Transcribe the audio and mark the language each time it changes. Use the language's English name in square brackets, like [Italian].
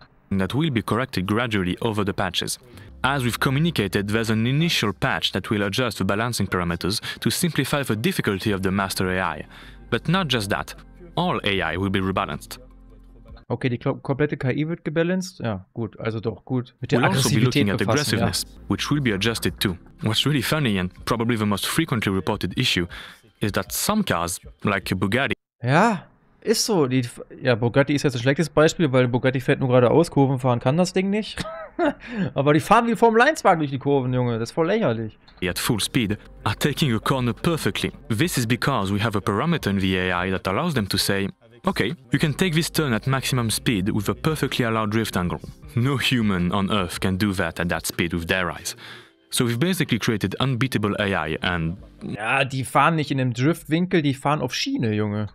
[English] That will be corrected gradually over the patches. As we've communicated, there's an initial patch that will adjust the balancing parameters to simplify the difficulty of the master AI. But not just that. All AI will be rebalanced. [German] Okay, die komplette KI wird gebalanced. Ja, gut, also doch gut. Mit der Aggressivität befassen, [English] looking at aggressiveness, [German] ja. [English] Which will be adjusted too. What's really funny and probably the most frequently reported issue is that some cars, like a Bugatti. [German] Ja, ist so. Bugatti ist jetzt ein schlechtes Beispiel, weil Bugatti fährt nur geradeaus, Kurven fahren kann das Ding nicht. Aber die fahren wie Formel 1-Wagen durch die Kurven, Junge. Das ist voll lächerlich. [English] At full speed, are taking a corner perfectly. This is because we have a parameter in the AI that allows them to say, okay, you can take this turn at maximum speed with a perfectly allowed drift angle. No human on Earth can do that at that speed with their eyes. So we've basically created unbeatable AI and... [German] Ja, die fahren nicht in einem Driftwinkel, die fahren auf Schiene, Junge.